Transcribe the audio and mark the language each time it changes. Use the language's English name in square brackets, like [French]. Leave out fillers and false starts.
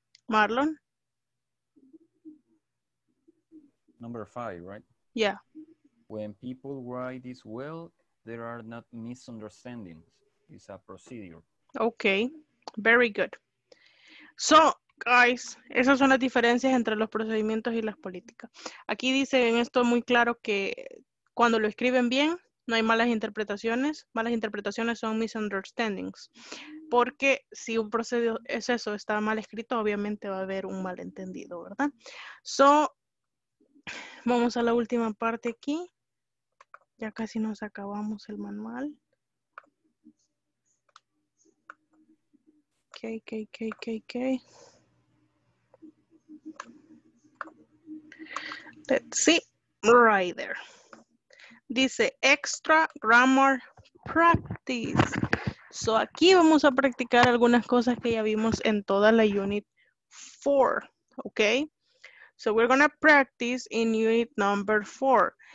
[English] Marlon. Number five, right? Yeah. When people write this well, there are not misunderstandings. It's a procedure. Okay. Very good. So, guys, [Spanish] esas son las diferencias entre los procedimientos y las políticas. Aquí dice en esto muy claro que cuando lo escriben bien, no hay malas interpretaciones. Malas interpretaciones son misunderstandings. Porque si un procedimiento es eso, está mal escrito, obviamente va a haber un malentendido, ¿verdad? So, vamos a la última parte aquí. Ya casi nos acabamos el manual. Ok. [English] Let's see, right there. Dice, extra grammar practice. [Spanish] So, aquí vamos a practicar algunas cosas que ya vimos en toda la unit 4, ¿ok? [English] So, we're going to practice in unit number 4.